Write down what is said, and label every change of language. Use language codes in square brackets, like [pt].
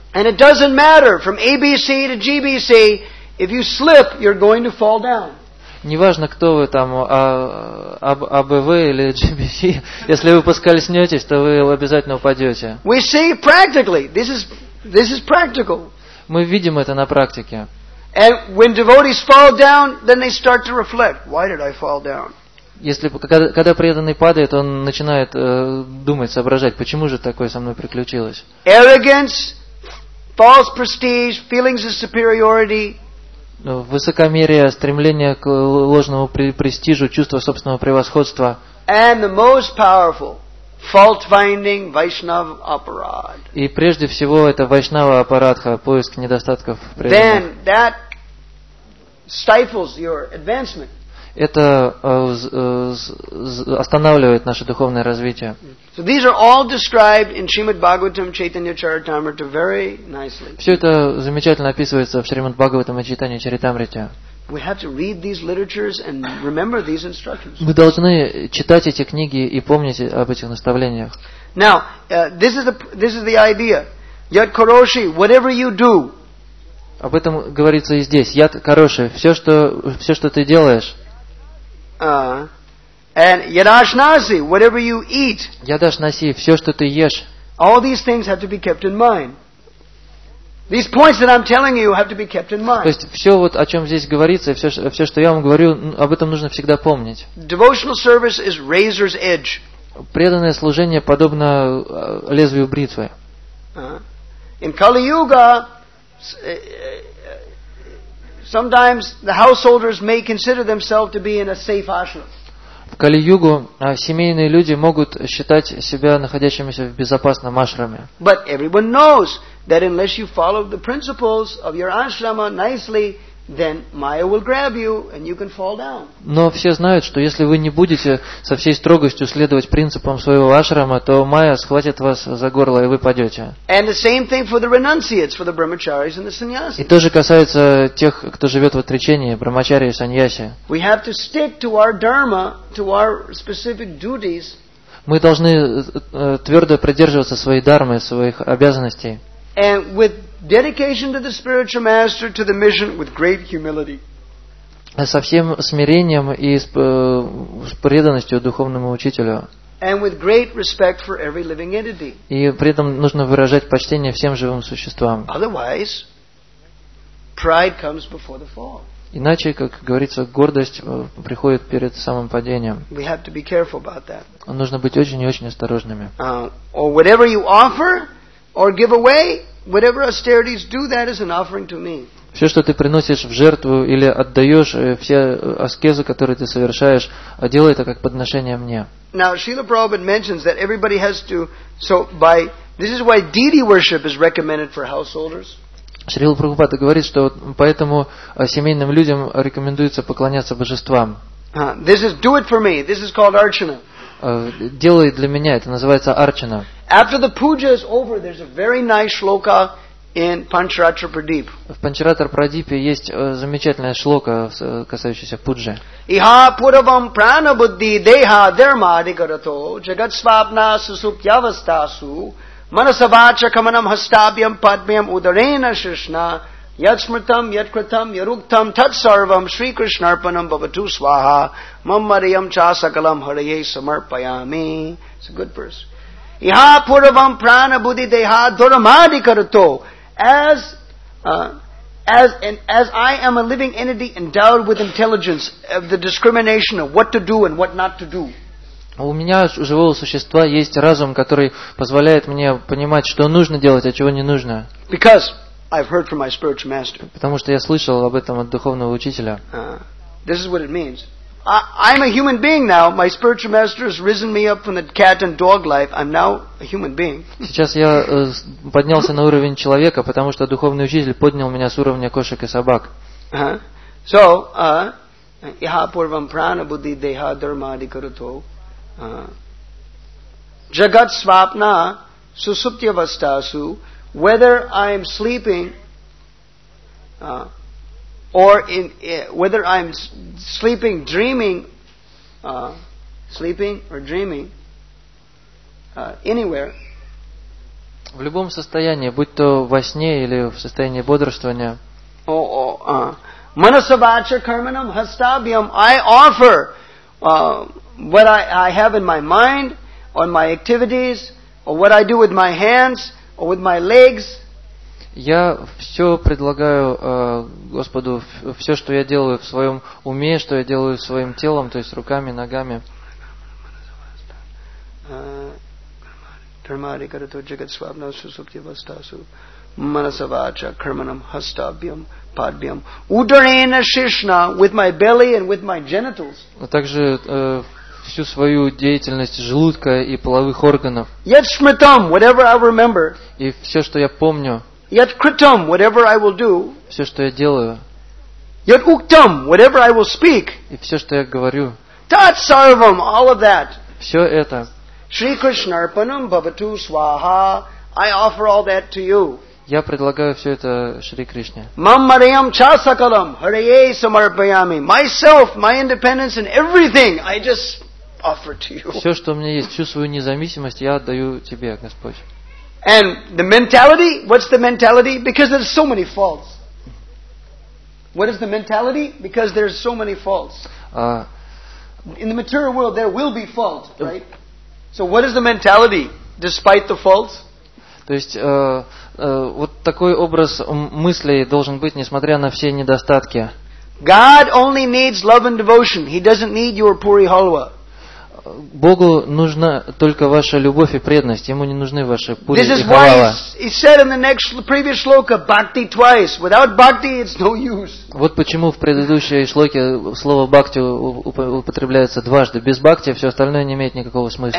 [en] And it doesn't matter from ABC to GBC, if you slip, you're going to fall down. [ru] Неважно, кто вы там, АБВ или GBC, если вы поскользнетесь, то вы обязательно упадете. [en] We see practically. This is practical. [ru] Мы видим это на практике. [en] And when devotees fall down, then they start to reflect, why did I fall down? [ru] Если когда преданный падает, он начинает думать, соображать, почему же такое со мной приключилось? [en] Arrogance, false prestige, feelings of superiority. [ru] Высокомерие, стремление к ложному престижу, чувство собственного превосходства. [en] And the most powerful, fault finding, Vaishnav aparad. [ru] И прежде всего это Вайшнава аппаратха, поиск недостатков преданных. [en] Then that stifles your advancement. [ru] Это останавливает наше духовное развитие. [en] So these are all described in Srimad Bhagavatam Chaitanya Charitamrita very nicely. [ru] Все это замечательно описывается в Шримад Бхагаватам и Чайтанья Чаритамрите. [en] We have to read these literatures and remember these instructions. [ru] Мы должны читать эти книги и помнить об этих наставлениях. [en] Now, this is the idea. [sa] Yad Karoshi, [en] whatever you do. [ru] Об этом говорится и здесь. [sa] Yad Karoshi, [ru] все что ты делаешь. [en] And Yadashnasi, whatever you eat. [ru] Yadashnasi, все что ты ешь. [en] All these things have to be kept in mind. These points that I'm telling you have to be kept in mind. [ru] То есть все вот о чем здесь говорится, все что я вам говорю, об этом нужно всегда помнить. [en] Devotional service is razor's edge. [ru] Преданное служение подобно лезвию бритвы. [en] In Kali Yuga, sometimes the householders may consider themselves to be in a safe ashram. [ru] В Кали-Югу семейные люди могут считать себя находящимися в безопасном ашраме. [en] But everyone knows that unless you follow the principles of your ashrama nicely, then Maya will grab you and you can fall down. [ru] Но все знают, что если вы не будете со всей строгостью следовать принципам своего ашрама, то Майя схватит вас за горло и вы падете. [en] And the same thing for the renunciates, for the brahmacharis and the sannyasis. [ru] И то же касается тех, кто живет в отречении, брахмачари и саньяси. [en] We have to stick to our dharma, to our specific duties. [ru] Мы должны твердо придерживаться своей дармы, своих обязанностей. [en] And with dedication to the spiritual master, to the mission, with great humility. [ru] Со всем смирением и с преданностью духовному учителю. [en] And with great respect for every living entity. [ru] И при этом нужно выражать почтение всем живым существам. [en] Otherwise, pride comes before the fall. [ru] Иначе, как говорится, гордость приходит перед самым падением. [en] We have to be careful about that. [ru] Нужно быть очень и очень осторожными. [en] Or whatever you offer or give away, whatever austerities, do that as an offering to me. [ru] Все, что ты приносишь в жертву или отдаешь, все аскезы, которые ты совершаешь, делай это как подношение мне. [en] Now, Srila Prabhupada mentions that everybody has to, so by, this is why deity worship is recommended for householders. [ru] Шрила Прабхупада говорит, что поэтому семейным людям рекомендуется поклоняться божествам. [en] This is, do it for me, this is called archana. [ru] Делай для меня, это называется арчана. [en] After the puja is over, there's a very nice shloka in Pancharatra Pradip. [ru] В Панчаратра Прадипе есть замечательная шлока, касающаяся пуджи. [sa] Иха пуравам прана будди деха дерма адикарато джагат свапна сусупьявастасу Manasabhacha kamanam hastabhyam padmyam udarena shrishna yat smritam yat kritam yaruktam tat sarvam shri krishna arpanam bhavatu swaha mam mariyam cha sakalam haraye samarpayami. [en] It's a good verse. [sa] Iha puravam prana buddhi deha dharmadi karato. [en] As I am a living entity endowed with intelligence of the discrimination of what to do and what not to do. [ru] У меня, у живого существа, есть разум, который позволяет мне понимать, что нужно делать, а чего не нужно. [en] Because I've heard from my spiritual master. [ru] Потому что я слышал об этом от духовного учителя. [en] This is what it means. I'm a human being now. My spiritual master has risen me up from the cat and dog life. I'm now a human being. [ru] Сейчас я поднялся на уровень человека, потому что духовный учитель поднял меня с уровня кошек и собак. [sa] So, iha purvam prana buddhi deha dharma adikaruto. Jagat svapna susupti avastasu, [en] whether I am sleeping or dreaming anywhere. [ru] В любом состоянии, будь то во сне или в состоянии бодрствования. [sa] Manasavacha karmanam hastabhyam, [en] I offer what I have in my mind, on my activities, or what I do with my hands, or with my legs. [ru] Я все предлагаю Господу, все, что я делаю в своем уме, что я делаю своим телом, то есть руками, ногами. [sa] Дармади карату джагат свабна сусупти вастасу манасавача карманам хастабьям падбьям ударена шишна, [en] with my belly and with my genitals. [ru] Также всю свою деятельность желудка и половых органов. [sa] Yet smritam, [en] whatever I remember. [ru] И все, что я помню. [sa] Yet kritam, [en] whatever I will do. [ru] Все, что я делаю. [sa] Yet uktam, [en] whatever I will speak. [ru] И все, что я говорю. [sa] Tat sarvam, [en] all of that. [ru] Все это. [sa] Shri Krishna arpanam bhavatu swaha, [en] I offer all that to you. [ru] Я предлагаю все это Шри Кришне. [sa] Мам мариам ча сакалам харие самарпаями. [en] Myself, my independence and everything, I just offer to you. [ru] Все, что у меня есть, всю свою независимость, я отдаю тебе, Господь. [en] And the mentality? What's the mentality? Because there's so many faults. What is the mentality? Because there's so many faults. In the material world, there will be faults, right? So what is the mentality, despite the faults? [ru] То есть, вот такой образ мыслей должен быть, несмотря на все недостатки. [en] God only needs love and devotion. He doesn't need your puri halwa. [ru] Богу нужна только ваша любовь и преданность. Ему не нужны ваши пури и халава. [en] This is why he said in the next previous shloka, bhakti twice. Without bhakti, it's no use. [ru] Вот почему в предыдущей шлоке слово бхакти употребляется дважды. Без бхакти все остальное не имеет никакого смысла.